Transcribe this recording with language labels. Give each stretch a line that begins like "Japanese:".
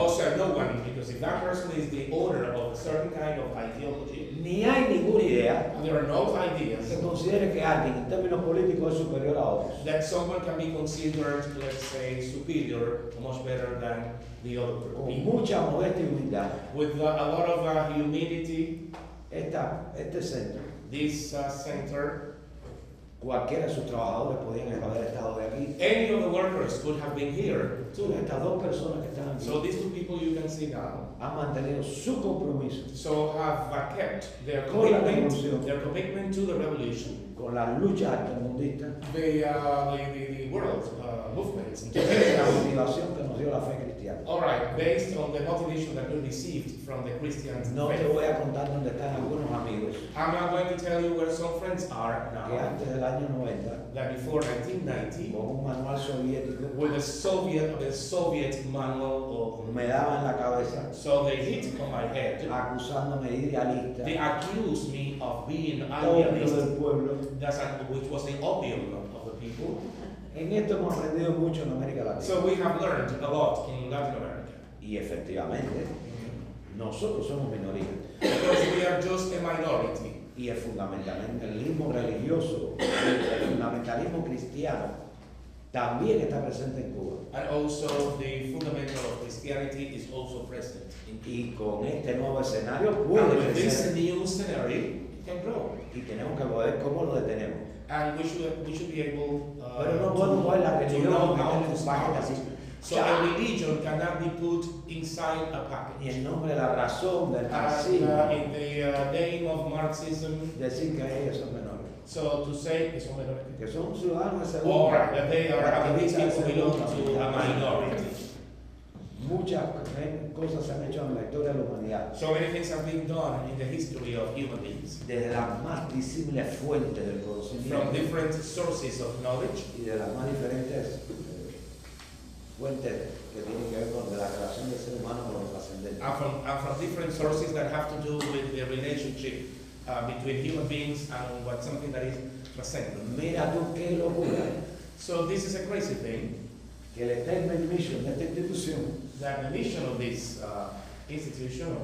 English: Also, no one, because if that person is the owner of a certain kind of ideology,
Spanish: ni hay ninguna idea.
English: There are no ideas.
Spanish: Se considere que alguien, en términos políticos, es superior a otros.
English: That someone can be considered, let's say, superior, much better than the other.
Spanish: Con mucha modestia y humildad.
English: With a lot of humility.
Spanish: Este centro.
English: This center.
Spanish: Cualquiera de sus trabajadores podían haber estado de aquí.
English: Any of the workers could have been here.
Spanish: Too. Estas dos personas que están aquí.
English: So these two people you can see now.
Spanish: Han mantenido su compromiso.
English: So have kept their commitment. Their commitment to the revolution.
Spanish: Con la lucha altermundista.
English: The world movements.
Spanish: La motivación que nos dio la fe cristiana.
English: All right, based on the motivation that we received from the Christians.
Spanish: No te voy a contar dónde están algunos amigos.
English: I'm not going to tell you where some friends are now.
Spanish: Que antes del año 90.
English: That before 1990.
Spanish: Con un manual soviético.
English: With a Soviet manual.
Spanish: Me daban la cabeza.
English: So they hit on my head.
Spanish: Acusándome de idealista.
English: They accused me of being idealist.
Spanish: Del pueblo.
English: That's which was the opium of the people.
Spanish: En esto hemos aprendido mucho en América Latina.
English: So we have learned a lot in Latin America.
Spanish: Y efectivamente, nosotros somos minoría.
English: Because we are just a minority.
Spanish: Y es fundamentalmente el mismo religioso, el fundamentalismo cristiano, también está presente en Cuba.
English: And also the fundamental of Christianity is also present in Cuba.
Spanish: Y con este nuevo escenario puede crecer.
English: And with this new scenario, it can grow.
Spanish: Y tenemos que ver cómo lo detenemos.
English: And we should be able to know how to. A religion cannot be put inside a package.
Spanish: En nombre de la razón del marxismo.
English: In the name of Marxism.
Spanish: Decir que ellos son menores.
English: So to say
Spanish: que son menores. Que son ciudadanos.
English: Or that they are activists who belong to a minority.
Spanish: Muchas cosas se han hecho en la historia de la humanidad.
English: So many things have been done in the history of human beings.
Spanish: Desde las más disímiles fuentes del conocimiento.
English: From different sources of knowledge.
Spanish: Y de las más diferentes fuentes que tienen que ver con la relación del ser humano con los trascendentes.
English: And from different sources that have to do with the relationship between human beings and what something that is transcendent.
Spanish: Mira tú qué locura.
English: So this is a crazy thing.
Spanish: Que el
English: statement mission
Spanish: de esta institución,
English: that the mission of this institution